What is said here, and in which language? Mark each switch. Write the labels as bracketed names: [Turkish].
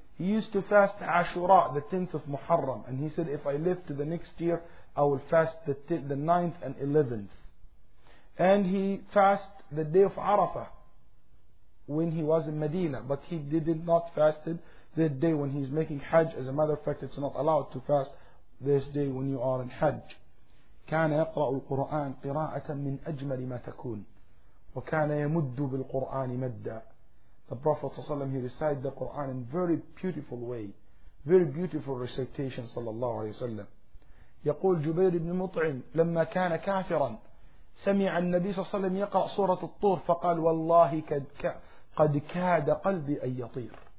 [English] He used to fast Ashura, the 10th of Muharram. And he said, if I live to the next year, I will fast the 9th and 11th. And he fasted the day of Arafah when he was in Medina. But he did not fast the day when he's making Hajj. As a matter of fact, it's not allowed to fast this day when you are in Hajj. [Arabic] كان يقرأ القرآن قراءة من أجمل ما تكون. وَكَانَ يَمُدُّ بِالْقُرْآنِ مَدَّ. [English] The Prophet ﷺ, he recited the Quran in very beautiful way, very beautiful recitation [Arabic] صلى الله عليه وسلم. يقول جبير بن مطعم لما كان كافرا سمع النبي صلى الله عليه وسلم يقرأ سورة الطور فقال والله قد كاد قلبي أن يطير.